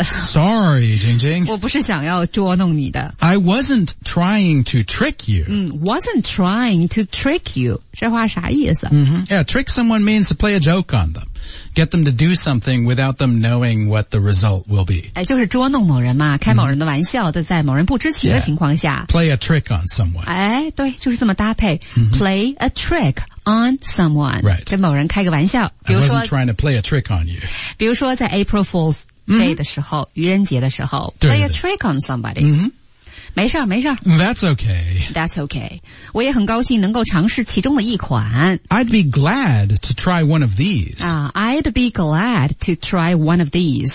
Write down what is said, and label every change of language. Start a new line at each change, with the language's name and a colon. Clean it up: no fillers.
English: Sorry, 晶晶。
Chinese: 我不是想要捉弄你的。
English: I wasn't trying to trick you. 嗯、wasn't trying to trick you.
Chinese: 这话啥意思？
English: 嗯、mm-hmm. Yeah, trick someone means to play a joke on them. Get them to do something without them knowing what the result will be.
Chinese: 哎，就是捉弄某人嘛，开某人的玩笑，都、mm. 在某人不知情的情况下。
English: Yeah. Play a trick on someone.
Chinese: 哎，对，就是这么搭配。 Mm-hmm.
English: Play a trick on someone. Right.
Chinese: 跟某人开个玩笑。
English: I wasn't trying to play a trick on you.
Chinese: 比如说在 April Fool's Day 的时候、mm-hmm. 愚人节的时候
English: play a trick on somebody.、 Mm-hmm.
Chinese: 没事儿，没事儿。
English: That's okay. That's okay.
Chinese: 我也很高兴能够尝试其中的一款。
English: I'd be glad to try one of these. I'd be glad to try one of these.、